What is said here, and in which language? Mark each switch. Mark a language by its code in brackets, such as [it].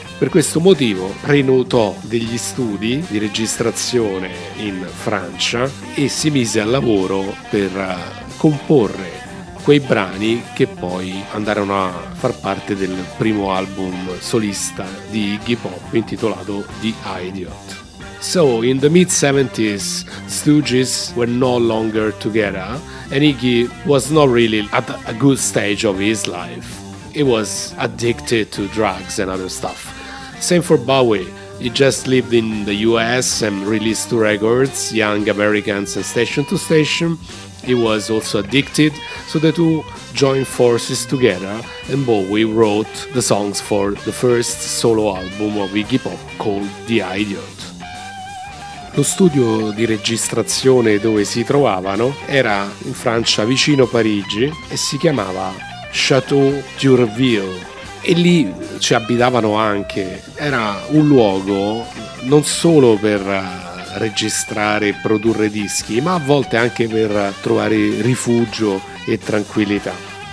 [it] Per questo motivo prenotò degli studi di registrazione in Francia e si mise al lavoro per comporre quei brani che poi andarono a far parte del primo album solista di Iggy Pop, intitolato The Idiot. [en] So, in the mid-70s, Stooges were no longer together, and Iggy was not really at a good stage of his life. He was addicted to drugs and other stuff. Same for Bowie. He just lived in the US and released two records, Young Americans and Station to Station. He was also addicted, so the two joined forces together and Bowie wrote the songs for the first solo album of Iggy Pop called The Idiot. [it] Lo studio di registrazione dove si trovavano era in Francia vicino Parigi e si chiamava Chateau d'Urville. E lì ci abitavano anche. Era un luogo non solo per registrare e produrre dischi, ma a volte anche per trovare rifugio e tranquillità.